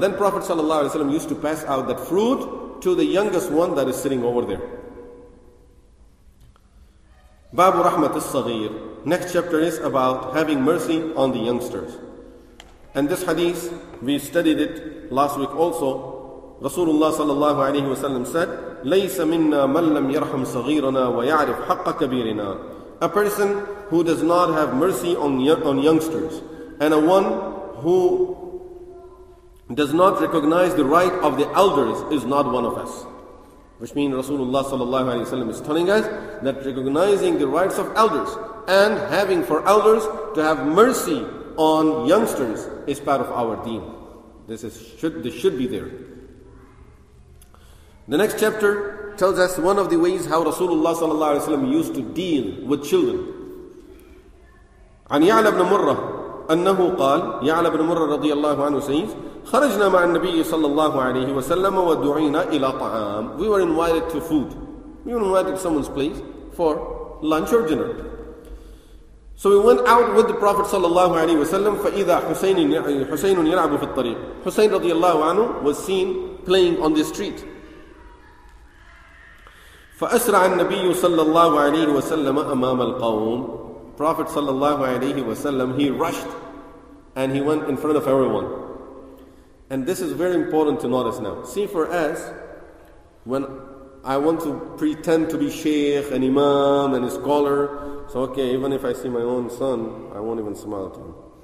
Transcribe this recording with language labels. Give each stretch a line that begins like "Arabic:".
English: Then Prophet sallallahu alayhi wa sallam used to pass out that fruit to the youngest one that is sitting over there.
Arabic: بَابُ رَحْمَةِ الصَّغِيرِ.
English: Next chapter is about having mercy on the youngsters. And this hadith, we studied it last week also. Rasulullah sallallahu alayhi wa sallam said,
Arabic: لَيْسَ مِنَّا مَنْ لَمْ يَرْحَمْ صَغِيرَنَا وَيَعْرِفْ حَقَّ كَبِيرِنَا.
English: A person who does not have mercy on youngsters, and a one who does not recognize the right of the elders is not one of us. Which means Rasulullah sallallahu alayhi wa sallam is telling us that recognizing the rights of elders and having for elders to have mercy on youngsters is part of our deen. This should be there. The next chapter tells us one of the ways how Rasulullah sallallahu alayhi wa sallam used to deal with children.
Arabic: عن يعلى بن مرة أنه قال يعلى بن مرة رضي الله عنه says, خرجنا مع النبي صلى الله عليه وسلم ودعينا إلى طعام.
English: We were invited to food. We were invited to someone's place for lunch or dinner. So we went out with the Prophet
Arabic: صلى الله عليه وسلم فإذا حسين يلعب في الطريق. حسين رضي الله عنه
English: was seen playing on the street.
Arabic: فأسرع النبي صلى الله عليه وسلم أمام القوم.
English: Prophet sallallahu alayhi wa sallam, he rushed and he went in front of everyone. And this is very important to notice now. See, for us, when I want to pretend to be sheikh and imam and a scholar, so okay, even if I see my own son, I won't even smile to him.